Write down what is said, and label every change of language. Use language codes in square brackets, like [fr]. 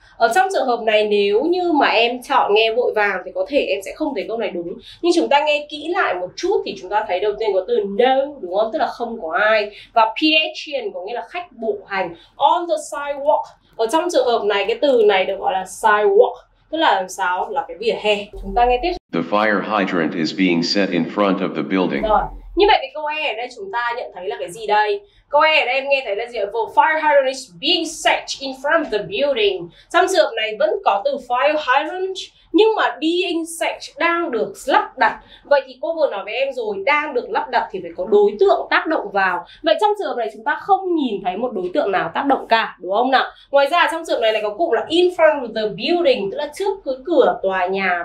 [vi] Ở trong trường hợp này nếu như mà em chọn nghe vội vàng thì có thể em sẽ không thấy câu này đúng. Nhưng chúng ta nghe kỹ lại một chút thì chúng ta thấy đầu tiên có từ no đúng không? Tức là không có ai. Và pedestrian có nghĩa là khách bộ hành. [en] On the sidewalk. [vi] Ở trong trường hợp này cái từ này được gọi là sidewalk. Tức là làm sao? Là cái vỉa hè. Chúng ta nghe tiếp. [en] The fire hydrant is being set in front of the building. [vi] Rồi. Như vậy thì câu E ở đây chúng ta nhận thấy là cái gì đây? Câu E ở đây em nghe thấy là gì? [en] The fire hydrant is being set in front of the building. [vi] Trong trường hợp này vẫn có từ fire hydrant, nhưng mà being set đang được lắp đặt. Vậy thì cô vừa nói với em rồi, đang được lắp đặt thì phải có đối tượng tác động vào. Vậy trong trường hợp này chúng ta không nhìn thấy một đối tượng nào tác động cả, đúng không nào? Ngoài ra trong trường hợp này có cụm là [en] in front of the building, [vi] tức là trước cái cửa tòa nhà.